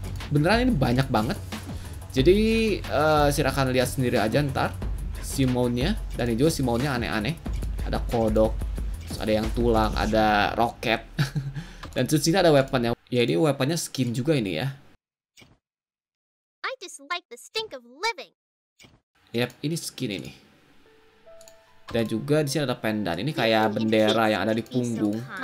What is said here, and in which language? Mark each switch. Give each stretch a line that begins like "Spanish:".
Indonesian: Beneran ini banyak banget. Jadi silahkan lihat sendiri aja ntar si mountnya. Dan ini juga si mountnya aneh-aneh. Ada kodok, ada yang tulang, ada roket. Dan terus ini ada weaponnya. Ya ini weaponnya skin juga ini ya.
English: I dislike the stink of living.
Indonesian: Yep, ini skin ini. Dan juga di sini ada pendant. Ini kayak bendera yang ada di punggung.